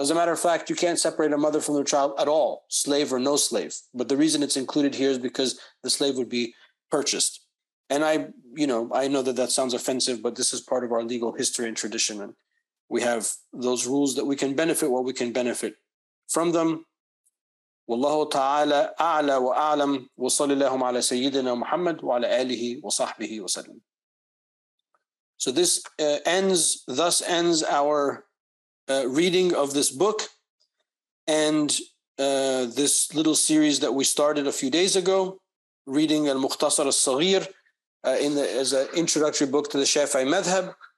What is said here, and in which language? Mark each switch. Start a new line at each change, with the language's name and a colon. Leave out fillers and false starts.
English: As a matter of fact, you can't separate a mother from their child at all, slave or no slave. But the reason it's included here is because the slave would be purchased. And I know that sounds offensive, but this is part of our legal history and tradition. And we have those rules that we can benefit what we can benefit from them.
Arabic: والله تعالى أعلى وأعلم وصلى اللهم على سيدنا محمد وعلى آله وصحبه وسلم.
English: So this thus ends our reading of this book and this little series that we started a few days ago, reading Al-Mukhtasar Al-Saghir as an introductory book to the Shafi'i Madhab.